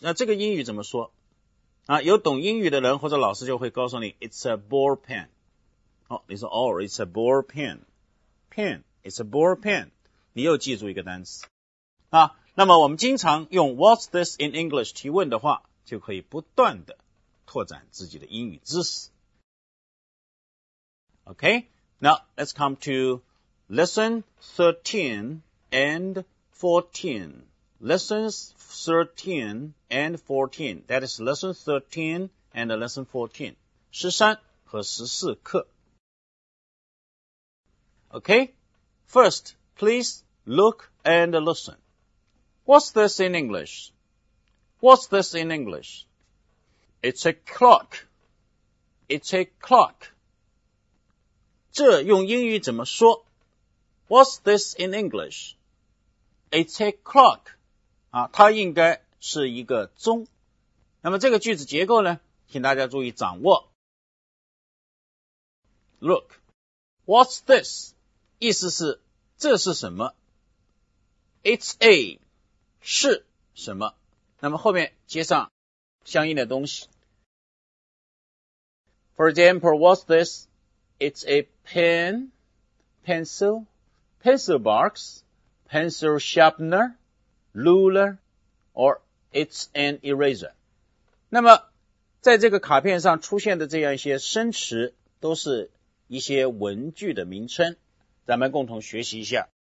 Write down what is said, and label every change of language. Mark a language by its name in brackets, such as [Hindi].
[Chinese] 那这个英语怎么说、啊、有懂英语的人或者老师就会告诉你 [English] It's a ball pen、 [Chinese] 啊、你说哦 It's a ball pen， pen It's a ball pen， 你又记住一个单词、啊、那么我们经常用 [English] What's this in English [Chinese] 提问的话，就可以不断地拓展自己的英语知识。 [English] OK, now let's come to Lesson 13 and 14. Lessons 13 and 14. That is Lesson 13 and Lesson 14. [Chinese] 13和14课。 [English] OK, first, please look and listen. What's this in English? What's this in English? It's a clock. It's a clock. [Chinese] 这用英语怎么说? [English] What's this in English? It's a clock.、 [Chinese] 啊、它应该是一个钟。那么这个句子结构呢?请大家注意掌握。 [English] Look. What's this? [Chinese] 意思是这是什么? [English] It's a. [Chinese] 是什么? 那么后面接上相应的东西。 [English] For example, what's this? It's a pen, pencil, pencil box, pencil sharpener, ruler, or it's an eraser. [Chinese] 那么在这个卡片上出现的这样一些生词都是一些文具的名称，咱们共同学习一下。